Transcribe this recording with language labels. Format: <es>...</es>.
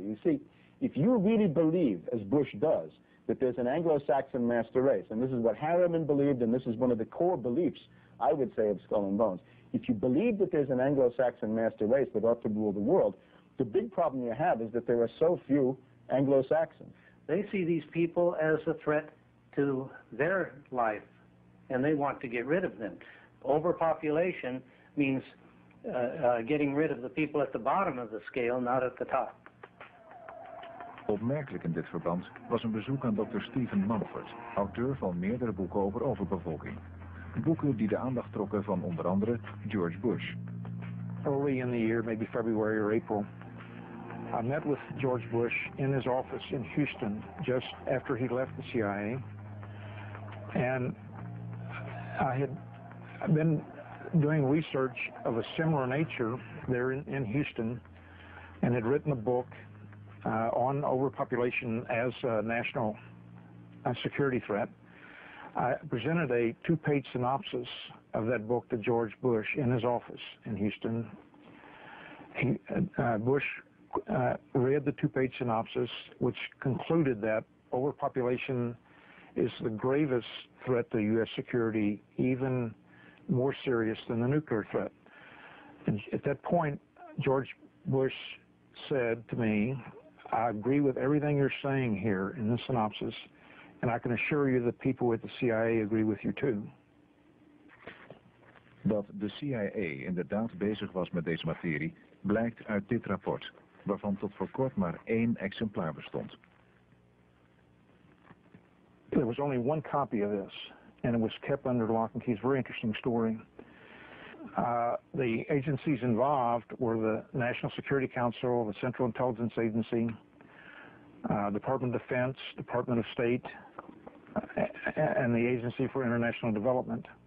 <en>You see, if you really believe, as Bush does, that there's an Anglo-Saxon master race, and this is what Harriman believed, and this is one of the core beliefs, I would say, of Skull and Bones, if you believe that there's an Anglo-Saxon master race that ought to rule the world, the big problem you have is that there are so few Anglo-Saxons. They see these people as a threat to their life, and they want to get rid of them. Overpopulation means getting rid of the people at the bottom of the scale, not at the top.</en> <nl>Opmerkelijk in dit verband was een bezoek aan Dr. Stephen Mumford, auteur van meerdere boeken over overbevolking. Boeken die de aandacht trokken van onder andere George Bush.</nl> <en>Early in the year, maybe February or April, I met with George Bush in his office in Houston just after he left the CIA. And I had been doing research of a similar nature there in Houston and had written a book on overpopulation as a national security threat. I presented a 2-page synopsis of that book to George Bush in his office in Houston. Bush read the 2-page synopsis, which concluded that overpopulation is the gravest threat to U.S. security, even more serious than the nuclear threat. And at that point, George Bush said to me, I agree with everything you're saying here in the synopsis, and I can assure you that people at the CIA agree with you too.</en> <nl>Dat de CIA inderdaad bezig was met deze materie, blijkt uit dit rapport, waarvan tot voor kort maar 1 exemplaar bestond.</nl> <en>There was only 1 copy of this, and it was kept under lock and key. It's a very interesting story. The agencies involved were the National Security Council, the Central Intelligence Agency, Department of Defense, Department of State, and the Agency for International Development.</en>